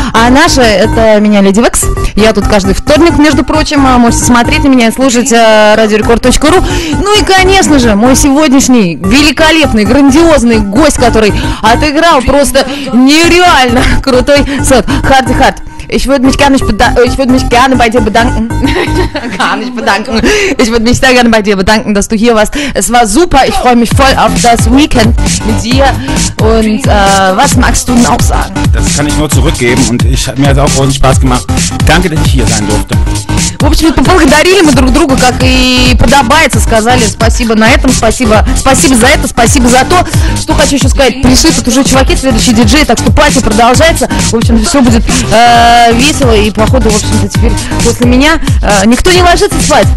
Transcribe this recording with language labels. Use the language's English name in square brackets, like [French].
[Russian] А наше, это меня, Леди Векс. Я тут каждый вторник, между прочим. Можете смотреть на меня и слушать RadioRecord.ru. Ну и, конечно же, мой сегодняшний великолепный, грандиозный гость, который отыграл просто нереально крутой сет. Харди Харт. [German] Ich würde mich gerne bei dir bedanken, dass du hier warst. Es war super. Ich freue mich voll auf das Weekend mit dir. Und was magst du denn auch sagen? Das kann ich nur zurückgeben. Und ich mir hat auch großen Spaß gemacht. Danke, dass ich hier sein durfte. [Russian] В общем, поблагодарили мы друг друга, как и подобается, сказали спасибо на этом, спасибо, спасибо за это, спасибо за то. Что хочу еще сказать, пришли тут уже чуваки, следующий диджей, так что пати продолжается. В общем, все будет весело, и походу, в общем-то, теперь после меня никто не ложится спать.